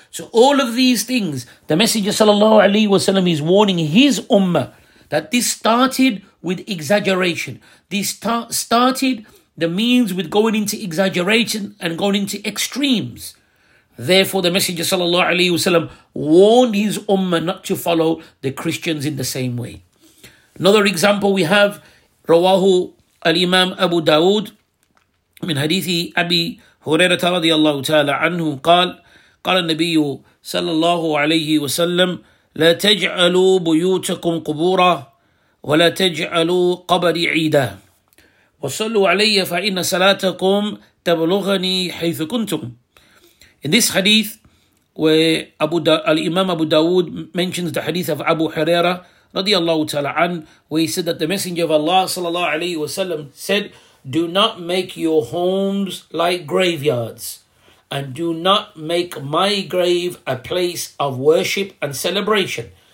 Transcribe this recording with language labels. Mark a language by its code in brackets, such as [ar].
[en] So all of these things, the Messenger sallallahu alaihi wasallam is warning his ummah that this started with exaggeration. This started the means with going into exaggeration and going into extremes. Therefore, the Messenger sallallahu alaihi wasallam warned his ummah not to follow the Christians in the same way. Another example we have, [ar] rawahu al-imam Abu Dawood, من حديث أبي هريرة رضي الله تعالى عنه قال قال النبي صلى الله عليه وسلم لا تجعلوا بيوتكم قبورا ولا تجعلوا قبري عيدا وصلوا علي فإن صلاتكم تبلغني حيث كنتم. [en] In this hadith where Imam Abu Dawood mentions the hadith of Abu Huraira [ar] رضي الله تعالى عنه, [en] where he said that the Messenger of Allah [ar] صلى الله عليه وسلم [en] said, do not make your homes like graveyards, and do not make my grave a place of worship and celebration.